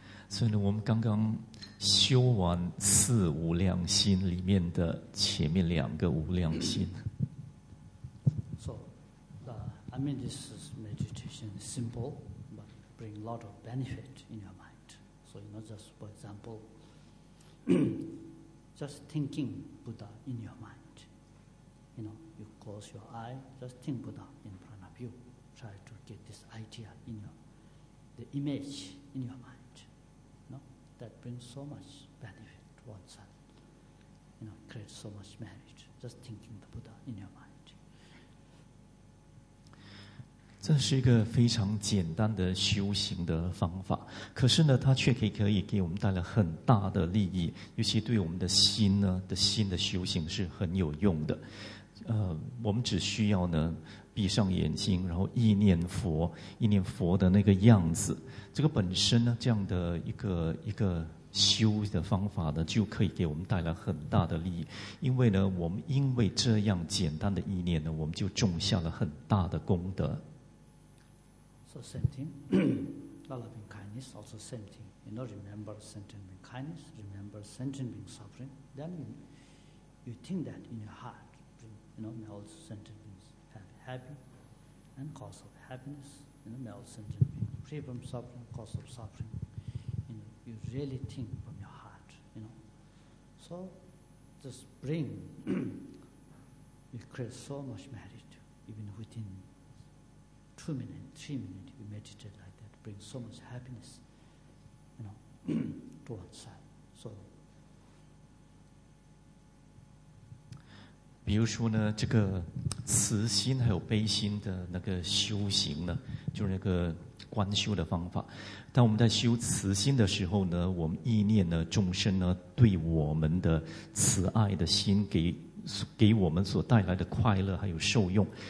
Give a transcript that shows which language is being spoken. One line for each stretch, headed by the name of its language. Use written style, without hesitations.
Chinese: 所以呢，我们刚刚修完四无量心里面的前面两个无量心。
English: So, I mean, this is meditation simple, but bring a lot of benefit in your mind. So, you know, just for example, just thinking Buddha in your mind. You know, you close your eye, just think Buddha in front of you. Try to get this idea in your, the image in your mind. That brings so much benefit to oneself. You know, creates so much merit. Just thinking the Buddha in your mind.
Chinese: 这是一个非常简单的修行的方法，可是呢，它却可以给我们带来很大的利益，尤其对我们的心呢的心的修行是很有用的。我们只需要呢闭上眼睛，然后意念佛，意念佛的那个样子，这个本身呢，这样的一个修的方法呢，就可以给我们带来很大的利益。因为呢，我们因为这样简单的意念呢，我们就种下了很大的功德。
English: So same thing, loving kindness also same thing. You know, remember sentient being kindness, remember sentient being suffering. Then you think that in your heart, you know, may all sentient beings have happy and cause of happiness. You know, may all sentient beings. Free from suffering, cause of suffering. You know, you really think from your heart, you know. So, just bring, you create so much merit, even within 2 minutes, 3 minutes, you meditate like that, bring so much happiness, you know, to oneself. So,
Chinese: 比如说呢，这个慈心还有悲心的那个修行呢，就是那个观修的方法。当我们在修慈心的时候呢，我们意念呢众生呢对我们的慈爱的心给我们所带来的快乐还有受用。